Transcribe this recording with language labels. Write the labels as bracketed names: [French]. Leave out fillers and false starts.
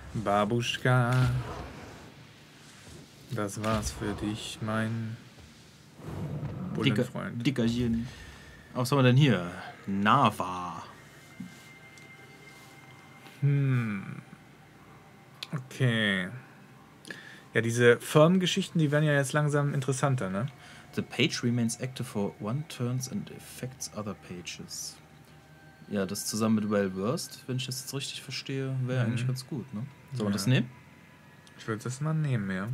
[German] Babuschka, das war's für dich, mein Bullenfreund. Dickerchen. Was haben wir denn hier? Nava. Okay. Ja, diese Firmengeschichten, die werden ja jetzt langsam interessanter, ne? [English] The page remains active for one turn and affects other pages. [German] Ja, das zusammen mit Wellworst, wenn ich das jetzt richtig verstehe, wäre eigentlich ganz gut, ne? Sollen wir das nehmen? Ich würde das mal nehmen, ja.